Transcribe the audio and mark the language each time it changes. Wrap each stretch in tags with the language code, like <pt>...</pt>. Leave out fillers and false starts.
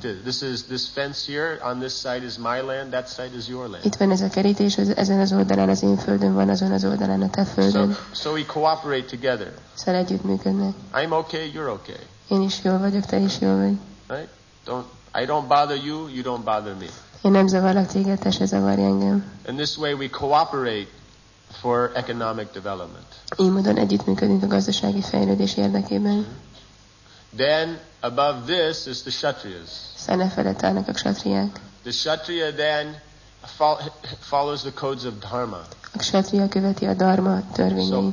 <en>This fence here on this side is my land, that side is your land.</en> <hu>Itt van ez a kerítés, ezen az oldalán az én földön van, azon az oldalán a te földön.</hu> <en>So we cooperate together.</en> <hu>Szóval együttműködnek.</hu> <en>I'm okay, you're okay.</en> <hu>Én is jól vagyok, te is jól vagy.</hu> <en>Right? I don't bother you, you don't bother me.</en> <hu>Én nem zavarlak téged, te se zavarj engem.</hu> <en>In this way we cooperate for economic development.</en> <hu>Így módon együttműködünk a gazdasági fejlődés érdekében.</hu> <en>Then above this is the kshatriyas.</en> <hu>Szene felett állnak a kshatriyák.</hu> <en>The kshatriya then follows the codes of dharma.</en> <hu>A kshatriya követi a dharma törvényeit.</hu>